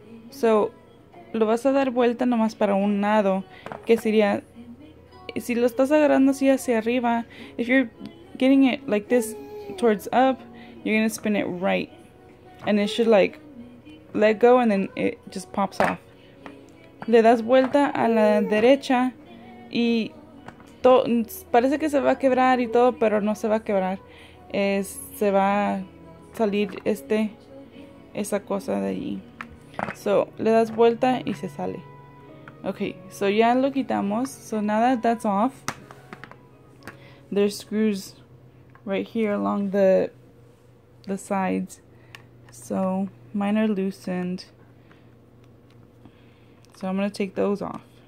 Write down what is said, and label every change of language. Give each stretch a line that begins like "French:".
Spanish: So, lo vas a dar vuelta nomás para un lado, que sería, si lo estás agarrando así hacia arriba,
English: if you're getting it like this towards up, you're going to spin it right. And it should like let go and then it just pops off.
Spanish: Le das vuelta a la derecha y parece que se va a quebrar y todo, pero no se va a quebrar. Se va a salir esa cosa de allí. So, le das vuelta y se sale. Okay, so ya lo quitamos.
English: So now that that's off, there's screws right here along the sides. So, mine are loosened. So I'm going to take those off.